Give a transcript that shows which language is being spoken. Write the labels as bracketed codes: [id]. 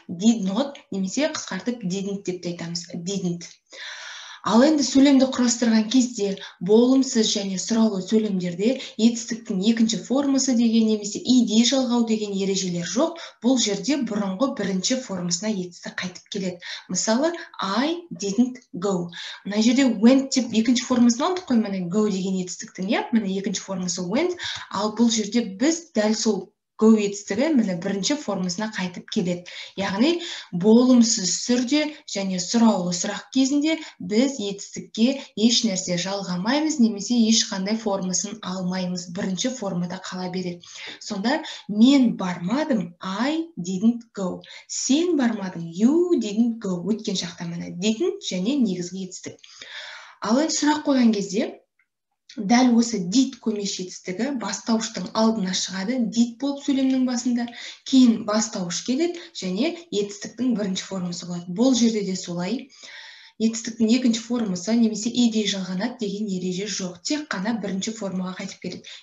[kk] Did not, немесе қысқартып didn't деп айтамыз. Didn't. Ал енді сөйлемді құрастырған кезде болымсыз және сұраулы сөйлемдерде етістіктің екінші формасы деген немесе ed жалғау деген ережелер жоқ. Бұл жерде бұрынғы бірінші формасына етістік қайтып келеді. [en] Мысалы, I didn't go. [kk] Мына жерде went деп екінші формасын алдық қой, міне go деген етістіктің, иә, міне екінші формасы went. Ал бұл жерде біз дәл сол go етістігі міне бірінші формасына қайтып келеді. Яғни болымсыз түрде және сұраулы сұрақ кезінде біз етістікке еш нәрсе жалғамаймыз, немесе ешқандай формасын алмаймыз. Бірінші формада қала береді. Сонда мен бармадым, [en] I didn't go. [kk] Сен бармадың, [en] you didn't go. [kk] Өткен шақта міне didn't және негізгі етістік. Ал енді сұрақ қойған кезде дәл осы did көмеш етістігі бастауыштың алдына шығады, did болып сөйлемнің басында, кейін бастауыш келеді және етістіктің бірінші формасы болады. Бұл жерде де солай, етістіктің екінші формасы немесе ed жалғанат деген ереже жоқ, тек қана бірінші формаға қайтып келеді.